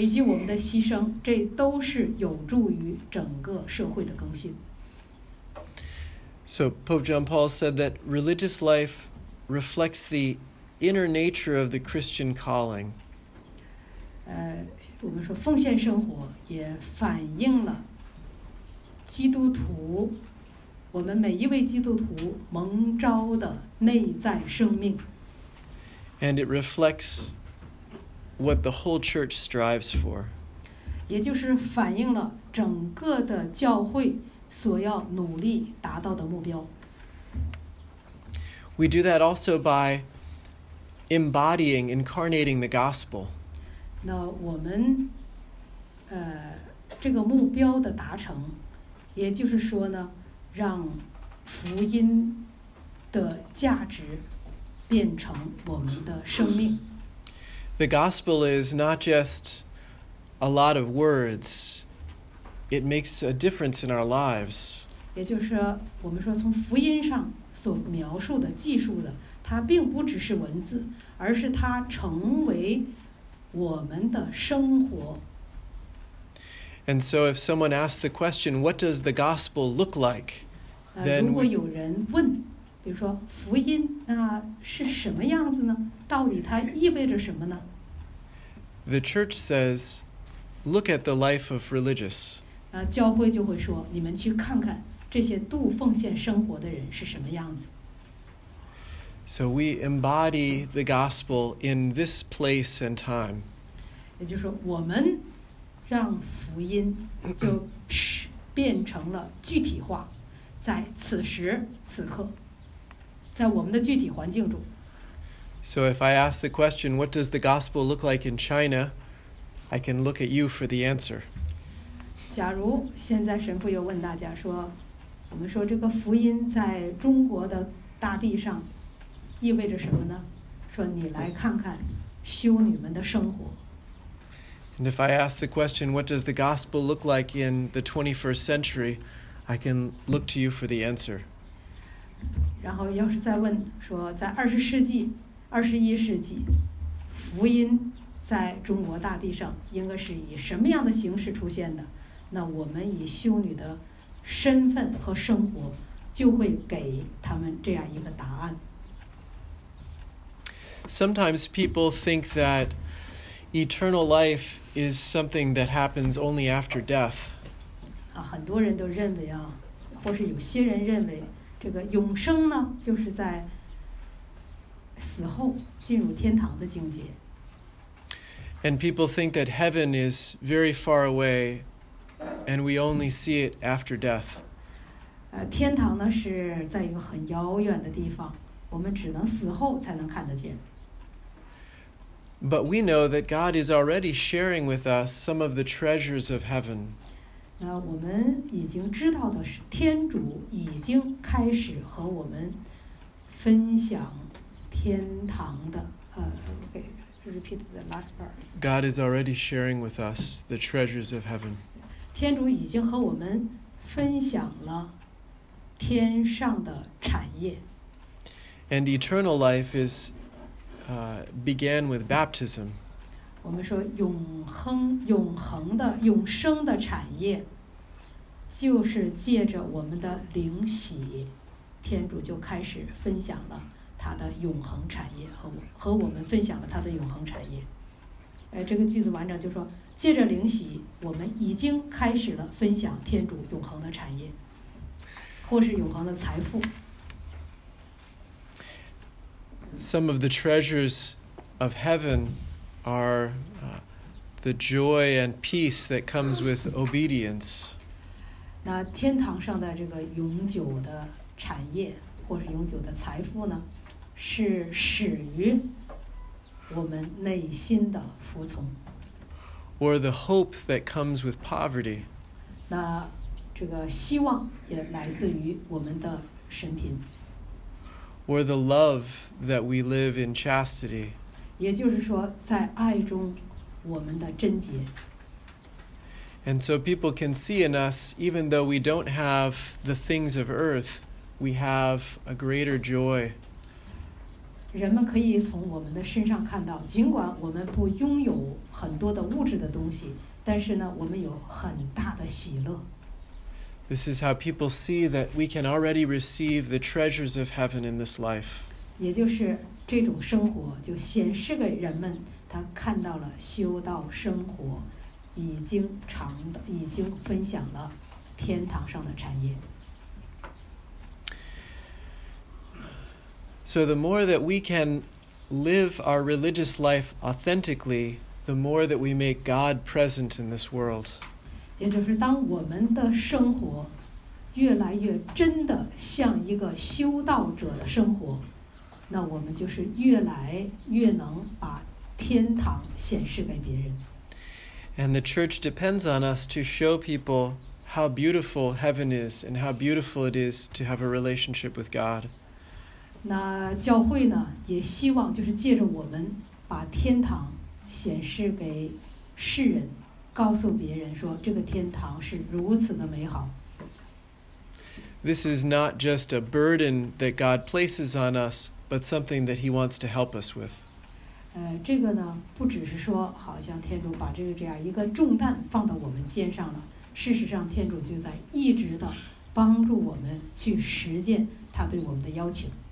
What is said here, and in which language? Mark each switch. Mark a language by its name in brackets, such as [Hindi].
[Chinese] 以及我们的牺牲，这都是有助于整个社会的更新。 [English] So Pope John Paul said that religious life reflects the inner nature of the Christian calling. [Chinese] 我们说奉献生活也反映了基督徒，我们每一位基督徒蒙召的内在生命。 [English] And it reflects what the whole church strives for. [Chinese] 也就是反映了整个的教会所要努力达到的目标。 [English] We do that also by embodying, incarnating the gospel. [Chinese] 那我们，这个目标的达成也就是说呢，让福音的价值变成我们的生命。 [English] The gospel is not just a lot of words; it makes a difference in our lives. [Chinese] 也就是我们说，从福音上所描述的、记述的，它并不只是文字，而是它成为我们的生活。 [English] And so if someone asks the question, what does the gospel look like? Then [Chinese] 如果有人问，比如说福音那是什么样子呢？到底它意味着什么呢？ [English] The church says, look at the life of religious. [Chinese] 教会就会说，你们去看看这些度奉献生活的人是什么样子。 [English] So we embody the gospel in this place and time. [Chinese] 也就是说我们让福音就变成了具体化，在此时此刻，在我们的具体环境中。 [English] So if I ask the question, what does the gospel look like in China? I can look at you for the answer. [Chinese] 假如现在神父又问大家说，我们说这个福音在中国的大地上意味着什么呢？说你来看看修女们的生活。 [English] And if I ask the question, what does the gospel look like in the 21st century, I can look to you for the answer. [Chinese] 然后要是再问说在二十一世纪福音在中国大地上应该是以什么样的形式出现的，那我们以修女的身份和生活就会给他们这样一个答案。 [English] Sometimes people think that eternal life is something that happens only after death. [Chinese] 很多人都认为啊，或是有些人认为这个永生呢，就是在死后进入天堂的境界。 [English] And people think that heaven is very far away and we only see it after death. [Chinese] 天堂呢是在一个很遥远的地方，我们只能死后才能看得见。 [English] But we know that God is already sharing with us some of the treasures of heaven. [Chinese] 那我们已经知道的是，天主已经开始和我们分享天堂的。 [English] Repeat the last part. God is already sharing with us the treasures of heaven. [Chinese] 天主已经和我们分享了天上的产业。 [English] And eternal life is began with baptism. [Chinese] 我们说永恒的永生的产业就是借着我们的灵洗，天主就开始分享了他的永恒产业，和我们分享了他的永恒产业。这个句子完整就说，借着灵洗我们已经开始了分享天主永恒的产业，或是永恒的财富。 [English] Some of the treasures of heaven are the joy and peace that comes with obedience. [Chinese] 那天堂上的这个永久的产业或是永久的财富呢，是始于我们内心的服从。 [English] Or the hope that comes with poverty. [Chinese] 那这个希望也来自于我们的身贫。 [English] Or the love that we live in chastity. [Chinese] 也就是说在爱中我们的贞洁。 [English] And so people can see in us, even though we don't have the things of earth, we have a greater joy. [Chinese] 人们可以从我们的身上看到，尽管我们不拥有很多的物质的东西，但是呢，我们有很大的喜乐。 [English] This is how people see that we can already receive the treasures of heaven in this life. [Chinese] 也就是这种生活就显示给人们，他看到了修道生活已经分享了天堂上的产业。 [English] So the more that we can live our religious life authentically, the more that we make God present in this world. [Chinese] 也就是当我们的生活越来越真的像一个修道者的生活，那我们就是越来越能把天堂显示给别人。 [English] And the church depends on us to show people how beautiful heaven is and how beautiful it is to have a relationship with God. [Chinese] 那教会呢，也希望就是借着我们把天堂显示给世人，告诉别人说这个天堂是如此的美好。 [English] This is not just a burden that God places on us, but something that He wants to help us with. [Chinese] 这个呢，不只是说好像天主把这个这样一个重担放到我们肩上了，事实上天主就在一直的帮助我们去实践他对我们的邀请。